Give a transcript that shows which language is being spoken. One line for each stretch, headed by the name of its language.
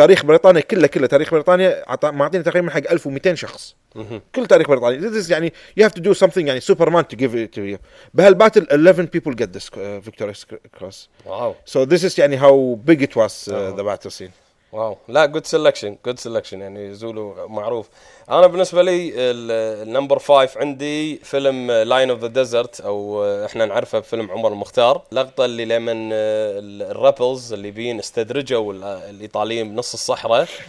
Arabic: وتاريخ بريطانيا كله تاريخ بريطانيا معطينا تقريبا حق 1200 شخص كل تاريخ بريطانيا
English: this is
Arabic: يعني
English: you have to do something
Arabic: يعني سوبرمان
English: to give it to you
Arabic: بهالباتل
English: 11 people get this
Arabic: فيكتوريا كروس
English: wow so this is يعني how big it was the battle scene
Arabic: واو لا
English: good selection good selection
Arabic: يعني زولو معروف أنا بالنسبة لي النمبر 5 عندي فيلم Line of the Desert أو إحنا نعرفه بفيلم عمر المختار لقطة اللي لمن الرابلز اللي بين استدرجوا الإيطاليين بنص الصحراء